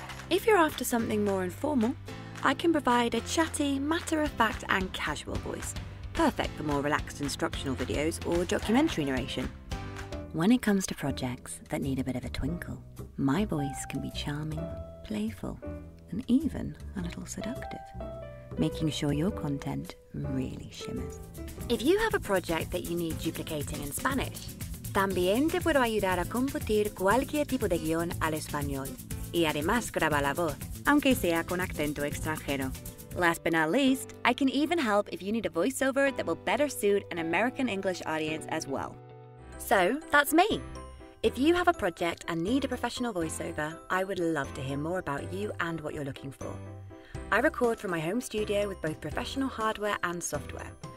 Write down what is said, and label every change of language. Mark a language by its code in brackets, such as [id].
[en] If you're after something more informal, I can provide a chatty, matter-of-fact, and casual voice, perfect for more relaxed instructional videos or documentary narration. When it comes to projects that need a bit of a twinkle, my voice can be charming, playful, and even a little seductive, making sure your content really shimmers. If you have a project that you need duplicating in Spanish, [es] también te puedo ayudar a convertir cualquier tipo de guión al español y además grabar la voz, aunque sea con acento extranjero. [en] Last but not least, I can even help if you need a voiceover that will better suit an American English audience as well. So, that's me. If you have a project and need a professional voiceover, I would love to hear more about you and what you're looking for. I record from my home studio with both professional hardware and software.